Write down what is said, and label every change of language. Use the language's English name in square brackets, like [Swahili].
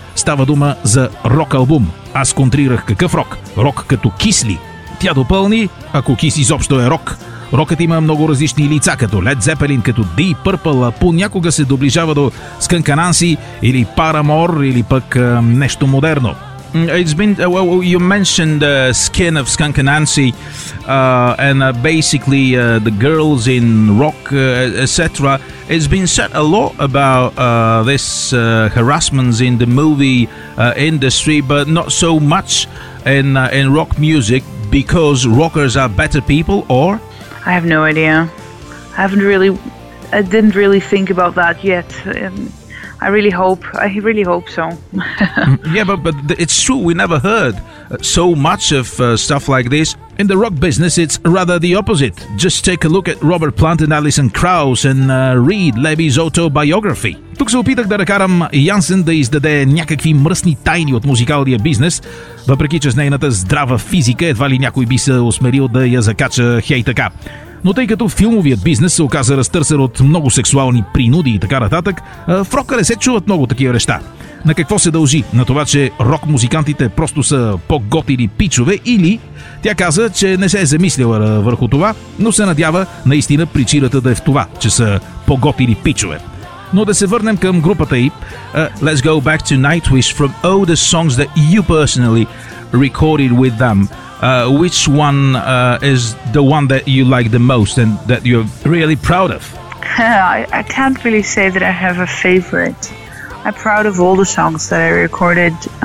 [Bulgarian] Става дума за рок-албум. Аз контрирах какъв рок? Рок като кисли. Тя допълни, ако кис изобщо е рок. Рокът има много различни лица, като Led Zeppelin, като Deep Purple, а понякога се доближава до Skunk Anansie или Paramore, или пък нещо модерно. [English] It's been, well, you mentioned the skin of Skunk Anansie and basically the girls in rock, etc. It's been said a lot about this harassment in the movie industry, but not so much in rock music, because rockers are better people, or? I have no idea. I didn't really think about that yet. I really hope so. but it's true, we never heard so much of stuff like this. In the rock business, it's rather the opposite. Just take a look at Robert Plant and Alison Krauss and read Levy's autobiography. [Bulgarian] Тук се опитах да накарам Янсен да издаде някакви мръсни тайни от музикалния бизнес, въпреки че с нейната здрава физика едва ли някой би се осмелил да я закача хей така. Но тъй като филмовият бизнес се оказа разтърсен от много сексуални принуди и така нататък, в рока не се чуват много такива неща. На какво се дължи? На това, че рок-музикантите просто са по-готини пичове, или тя каза, че не се е замислила върху това, но се надява наистина причината да е в това, че са по-готини пичове. Но да се върнем към групата и... [English] Let's go back to Nightwish. From all the songs that you personally recorded with them, which one is the one that you like the most and that you're really proud of? I can't really say that I have a favorite. I'm proud of all the songs that I recorded.